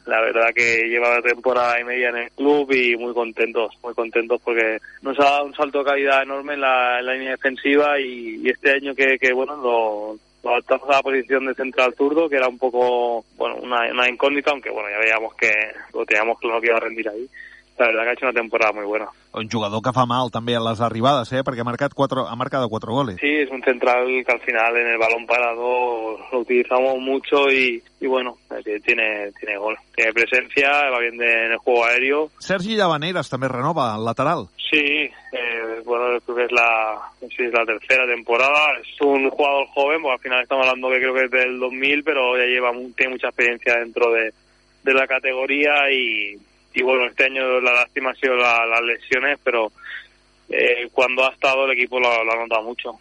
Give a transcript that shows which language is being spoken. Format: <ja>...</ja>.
<es>La verdad que lleva temporada y media en el club y muy contentos porque nos ha dado un salto de calidad enorme en la línea defensiva y este año que bueno, lo adaptamos a la posición de central zurdo, que era un poco, bueno, una incógnita, aunque bueno, ya veíamos que lo teníamos claro que iba a rendir ahí. La verdad que ha hecho una temporada muy buena.</es> <ca>Un jugador que fa mal també a les arribades, perquè ha marcat 4 goles. Sí, és un central que al final</ca> <es>en el balón parado lo utilizamos mucho y bueno, tiene gol. Tiene presencia, va bien en el juego aéreo.</es> <ca>Sergi Llavaneres també renova el lateral.</ca> <es>Sí, bueno, creo que es la tercera temporada. Es un jugador joven, porque al final estamos hablando que creo que es del 2000, pero ya tiene mucha experiencia dentro de la categoría y bueno, este año la lástima ha sido las lesiones, pero cuando ha estado el equipo lo ha notado mucho.</es>